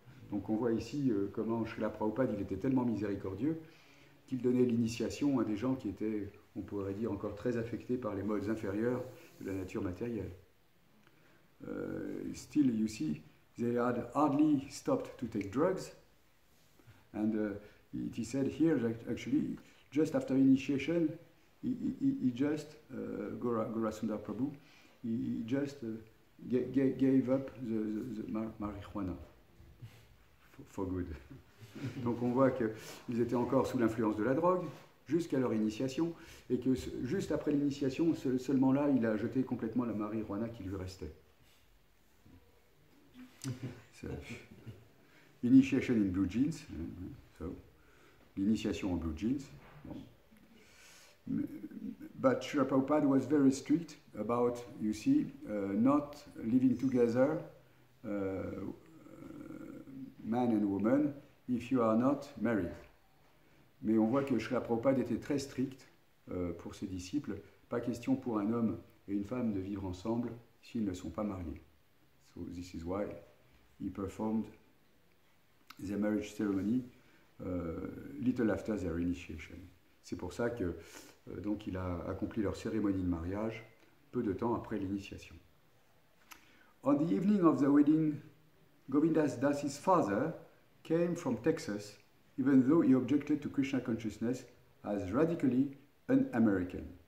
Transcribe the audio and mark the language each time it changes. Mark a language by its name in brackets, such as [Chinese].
[French] Donc on voit ici comment Srila Prabhupada il était tellement miséricordieux qu'il donnait l'initiation à des gens qui étaient, on pourrait dire, encore très affectés par les modes inférieurs de la nature matérielle. [English] Still, you see, they had hardly stopped to take drugs. And it is said here that actually, just after initiation, Golasundara Prabhu, gave up the marijuana. For good. [French] Donc on voit qu'ils étaient encore sous l'influence de la drogue jusqu'à leur initiation, et que juste après l'initiation, seulement là, il a jeté complètement la marijuana qui lui restait. [English] Initiation in blue jeans. So, [French] l'initiation en blue jeans. Bon. [English] But Srila Prabhupada was very strict about, you see, not living together, man and woman, if you are not married. [French] Mais on voit que Srila Prabhupada était très strict pour ses disciples. Pas question pour un homme et une femme de vivre ensemble s'ils ne sont pas mariés. [English] So this is why he performed the marriage ceremony little after their initiation. [French] C'est pour ça que donc il a accompli leur cérémonie de mariage peu de temps après l'initiation. [English] On the evening of the wedding, Govinda Dasi's father came from Texas, even though he objected to Krishna consciousness as radically un-American.